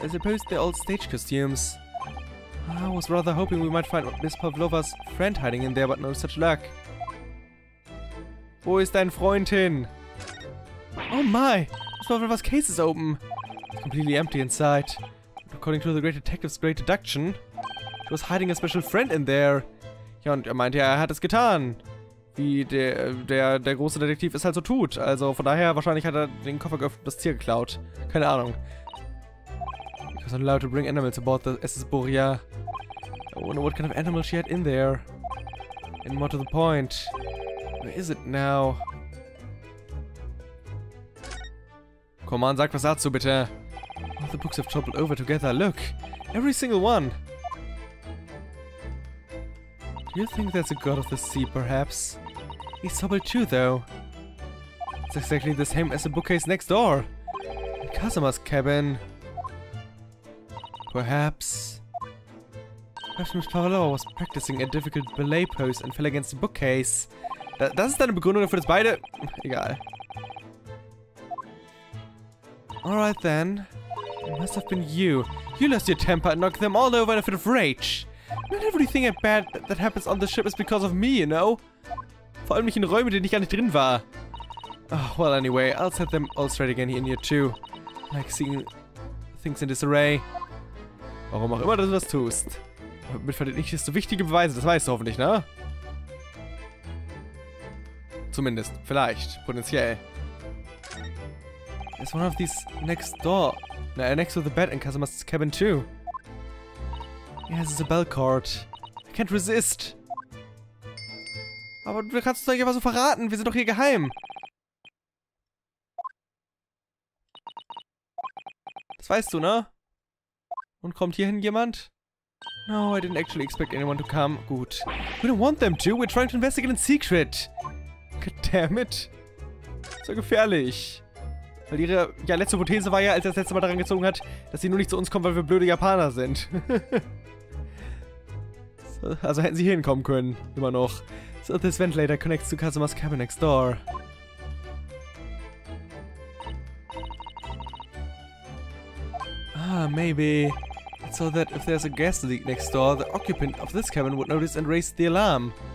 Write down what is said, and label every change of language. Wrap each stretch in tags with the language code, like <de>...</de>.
<en>I suppose they're all stage costumes. I was rather hoping we might find Miss Pavlova's friend hiding in there, but no such luck.</en> <de>Wo ist dein Freund hin?</de> <en>Oh my! Miss Pavlova's case is open. It's completely empty inside. According to the great detective's great deduction, she was hiding a special friend in there.</en> <de>Ja, und er meinte ja, er hat es getan. Wie der große Detektiv es halt so tut. Also von daher, wahrscheinlich hat er den Koffer geöffnet, das Tier geklaut. Keine Ahnung.</de> <en>She was allowed to bring animals aboard the SS Boria. I wonder what kind of animal she had in there. And more to the point. Where is it now? Come on,</en> <de>sag was dazu, bitte.</de> <en>All the books have toppled over together. Look, every single one. Do you think that's a god of the sea, perhaps? He's toppled too, though. It's exactly the same as the bookcase next door. In Kazuma's cabin. Perhaps Miss Pavlova was practicing a difficult ballet pose and fell against the bookcase.</en> <de>Das ist deine Begründung dafür, dass beide... Egal.</de> <en>Alright then. It must have been you. You lost your temper and knocked them all over in a fit of rage. Not everything bad that happens on the ship is because of me, you know?</en> <de>Vor allem nicht in Räumen, in denen ich gar nicht drin war.</de> <en>Oh, well anyway, I'll set them all straight again in here too. Like seeing things in disarray.</en> <de>Warum auch immer dass du das tust. Damit verdienst du wichtige Beweise, das weißt du hoffentlich, ne? Zumindest, vielleicht, potenziell.</de> <en>There's one of these next door. Next to the bed in Kazuma's cabin too. Yes, it's a bell cord. I can't resist.</en> <de>Aber du kannst es doch einfach so verraten, wir sind doch hier geheim. Das weißt du, ne? Und kommt hierhin jemand?</de> <en>No, I didn't actually expect anyone to come. Gut. We don't want them to, we're trying to investigate in secret.</en> <de>Goddammit. So gefährlich. Weil ihre ja, letzte Hypothese war ja, als er das letzte Mal daran gezogen hat, dass sie nur nicht zu uns kommen, weil wir blöde Japaner sind. So Also hätten sie hinkommen können, immer noch.</de> <en>So, this ventilator connects to Kazuma's cabin next door. Ah, maybe. It's so that if there's a gas leak next door, the occupant of this cabin would notice and raise the alarm.</en>